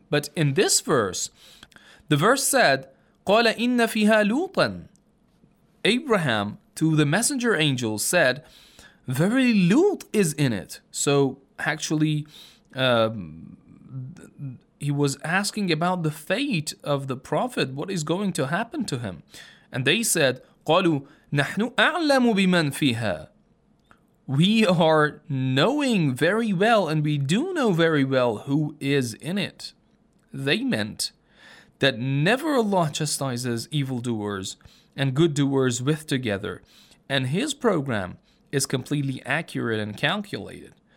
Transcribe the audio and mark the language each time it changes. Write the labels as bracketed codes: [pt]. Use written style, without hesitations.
[en] But in this verse, the verse said, [ar] قَالَ إِنَّ فِيهَا لُوطًا. [en] Abraham, to the messenger angels, said, very Lut is in it. So, actually, he was asking about the fate of the Prophet, what is going to happen to him. And they said, [ar] قَالُوا نَحْنُ أَعْلَمُ بِمَنْ فِيهَا. [en] We are knowing very well, and we do know very well who is in it. They meant that never Allah chastises evildoers and good doers with together, and his program is completely accurate and calculated.